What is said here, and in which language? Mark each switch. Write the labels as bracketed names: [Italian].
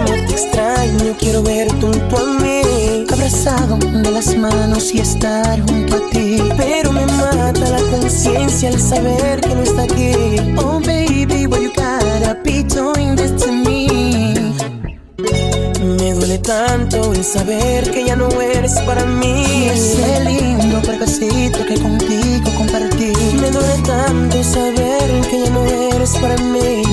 [Spanish] extraño, quiero verte junto a mí, abrazado de las manos y estar junto a ti. Pero me mata la conciencia al saber que no está aquí. [English] Oh baby, what you gotta be doing this to me? [Spanish] Me duele tanto el saber que ya no eres para mí. Ese lindo pedacito que contigo compartí. Me duele tanto saber que ya no eres para mí.